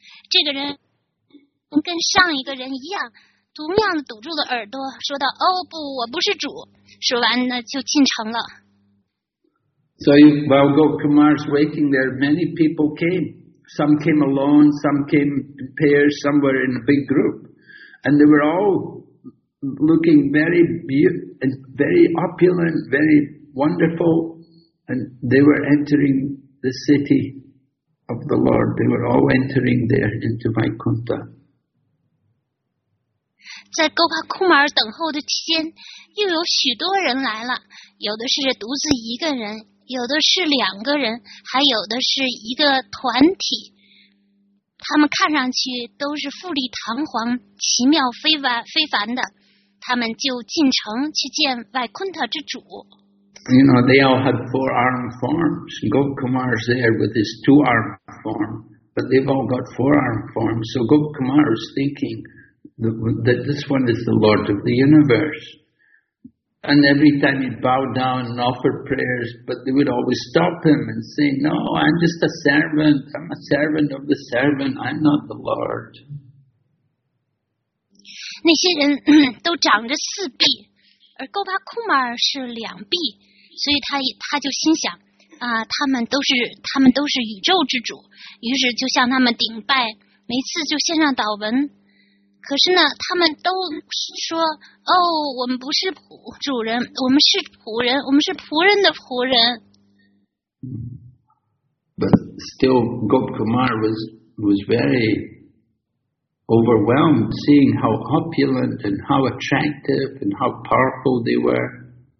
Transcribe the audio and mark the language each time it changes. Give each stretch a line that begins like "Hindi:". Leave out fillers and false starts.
Chinese: 这个人跟上一个人一样，同样的堵住了耳朵，说道：“哦不，我不是主。” 说完呢，就进城了。
English: So while Gopal Kumar is waiting there, many people came. Some came alone, some came in pairs, some were in a big group, and they were all. Looking very beautiful and very opulent, very wonderful, and they were entering the city of the Lord. They were all entering there into Vaikuntha.
Chinese: 在 Gopal Kumar 等候的期间，又有许多人来了，有的是独自一个人，有的是两个人，还有的是一个团体。他们看上去都是富丽堂皇、奇妙非凡的。他们就进城去见外昆特之主。
English: You know, they all had four-armed forms. Gop Kumar is there with his two-armed form, but they've all got four-armed forms. So Gop Kumar is thinking that this one is the Lord of the universe. And every time he'd bow down and offer prayers, but they would always stop him and say, "No, I'm just a servant. I'm a servant of the servant. I'm not the Lord."
Chinese: 那些人都长着四臂，而高巴库马尔是两臂，所以他就心想啊，他们都是宇宙之主，于是就向他们顶拜，每次就献上祷文。可是呢，他们都说哦，我们不是主人，我们是仆人，我们是仆人的仆人。
English: But still, Gop Kumar was very overwhelmed seeing how opulent and how attractive and how powerful they were.